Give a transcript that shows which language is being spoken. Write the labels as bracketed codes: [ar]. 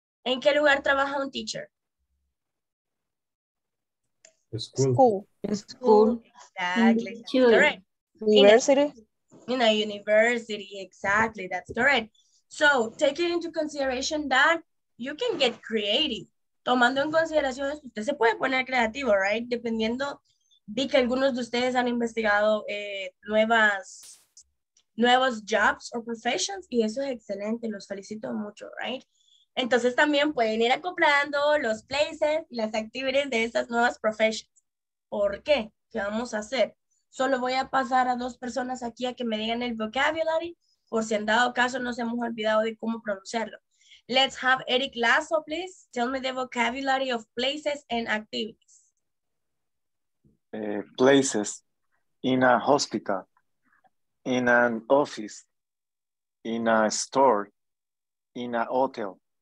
[es] ¿En qué lugar trabaja un teacher? [en] School. Exactly. University. In a university, exactly. That's correct. So, take it into consideration that you can get creative. [es] Tomando en consideración esto, usted se puede poner creativo, right? Dependiendo, vi que algunos de ustedes han investigado nuevos jobs o professions, y eso es excelente, los felicito mucho, right? Entonces también pueden ir acoplando los places, las actividades de esas nuevas professions. ¿Por qué? ¿Qué vamos a hacer? Solo voy a pasar a dos personas aquí a que me digan el vocabulary, por si en dado caso nos hemos olvidado de cómo pronunciarlo. [en] Let's have Eric Lasso, please. Tell me the vocabulary of places and activities. Places, in a hospital, in an office, in a store, in a hotel.